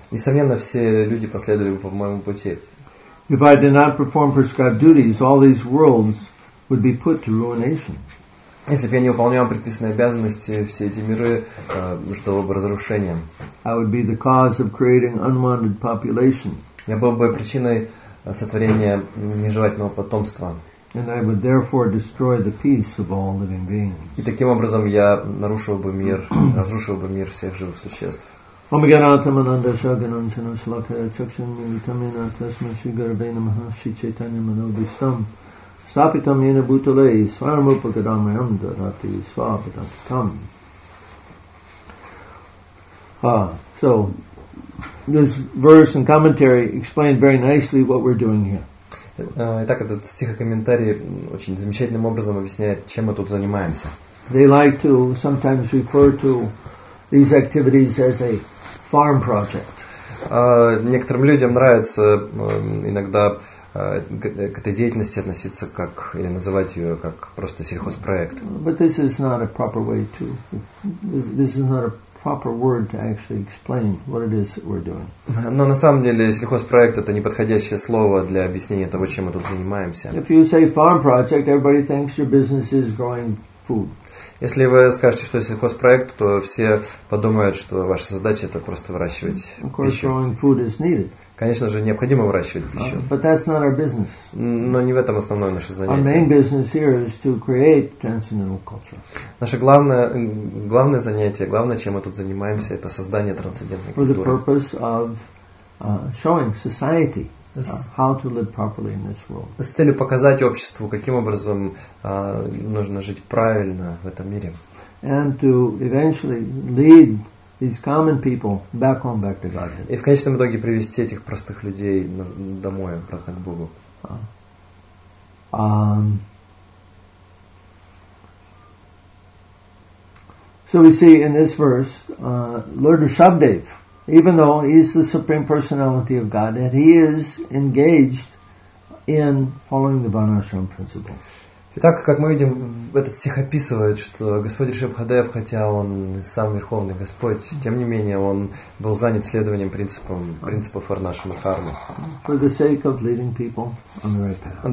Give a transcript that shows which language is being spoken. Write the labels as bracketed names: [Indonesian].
[Russian] Несомненно, все люди последовали бы по моему пути. [English] If I did not perform prescribed duties, all these worlds would be put to ruination. [Russian] Если бы я не выполнял предписанные обязанности, все эти миры ждало бы разрушения. [English] I would be the cause of creating unwanted population. [Russian] Я был бы причиной сотворения нежелательного потомства. [English] And I would therefore destroy the peace of all living beings. [Russian] И таким образом я нарушил бы мир, разрушил бы мир всех живых существ. [Sanskrit] Om Ganatam Ananda Shaganam Chana Shlaka Chakshan Militam Yena Tasma Shigar Vena Maha Shri Chaitanya Manobisham Stapitam Yena Bhutale Swayam Upagadamayam Dharati Swapadantikam. [English] So this verse and commentary explained very nicely what we're doing here. [Russian] Итак, этот стихокомментарий очень замечательным образом объясняет, чем мы тут занимаемся. [English] They like to sometimes refer to these activities as a farm project. [Russian] Некоторым людям нравится иногда к этой деятельности относиться как или называть ее как просто сельхозпроект. [English] But this is not a proper way to. This is not a proper word to actually explain what it is that we're doing. [Russian] Но на самом деле сельхозпроект — это неподходящее слово для объяснения того, чем мы тут занимаемся. [English] If you say farm project, everybody thinks your business is growing food. [Russian] Если вы скажете, что это сельхозпроект, то все подумают, что ваша задача — это просто выращивать [English] of course, [Russian] пищу. [English] Growing food is needed. [Russian] Конечно же, необходимо выращивать пищу. [English] But that's not our business. [Russian] Но не в этом основное наше занятие. [English] Our main business here is to create transcendental culture. [Russian] Наше главное занятие, главное, чем мы тут занимаемся, это создание трансцендентной культуры. [English] For the purpose of showing society how to live properly in this world. [Russian] С целью показать обществу, каким образом нужно жить правильно в этом мире. [English] And to eventually lead these common people back home, back to God. [Russian] И в конечном итоге привести этих простых людей домой, обратно к Богу. [English] So we see in this verse, Lord Rishabhdev, even though he is the Supreme Personality of God, that he is engaged in following the Vanashram principles. [Russian] Итак, как мы видим, этот стих описывает, что Господь Ришабхадев, хотя он сам Верховный Господь, тем не менее он был занят следованием принципов Варнашрама Дхармы. [English] For the sake of leading people on the right path.